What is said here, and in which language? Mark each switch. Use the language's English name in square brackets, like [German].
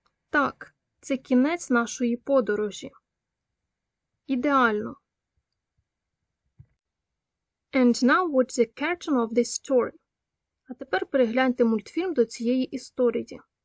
[Ukrainian] Так, це кінець нашої подорожі. Ідеально. [English] And now watch the cartoon of this story. [Ukrainian] А тепер перегляньте мультфільм до цієї історії.